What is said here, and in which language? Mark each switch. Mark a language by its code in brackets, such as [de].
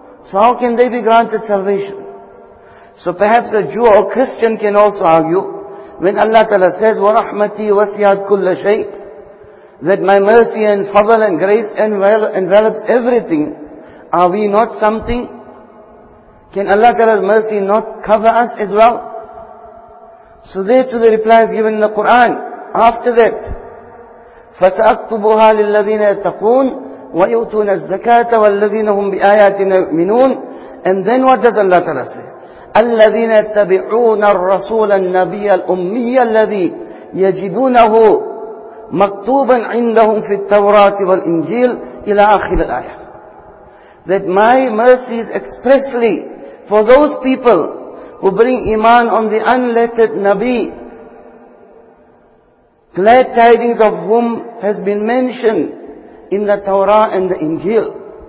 [en] So how can they be granted salvation? So perhaps a Jew or Christian can also argue, when Allah Ta'ala says, [ar] وَرَحْمَتِي وَسِيَاتْ كُلَّ شَيْءٍ, [en] that my mercy and fadl and grace envelops everything, are we not something? Can Allah Ta'ala's mercy not cover us as well? So there too the reply is given in the Quran. After that, [ar] فَسَأَكْتُبُهَا لِلَّذِينَ يَتَّقُونَ وَيُؤْتُونَ الزَّكَاةَ وَالَّذِينَ هُمْ بِآيَاتِنَا يُؤْمِنُونَ. [en] And then what does Allah Ta'ala say? [ar] الَّذِينَ يَتَّبِعُونَ الرَّسُولَ النَّبِيَّ الْأُمِّيَّ الَّذِي يَجِدُونَهُ مَكْتُوبًا عِنْدَهُمْ فِي التَّوْرَاةِ وَالْإِنْجِيلِ إِلَى آخِرِ الْآيَةِ. [en] That my mercy is expressly for those people who bring iman on the unlettered Nabi, glad tidings of whom has been mentioned in the Torah and the Injil.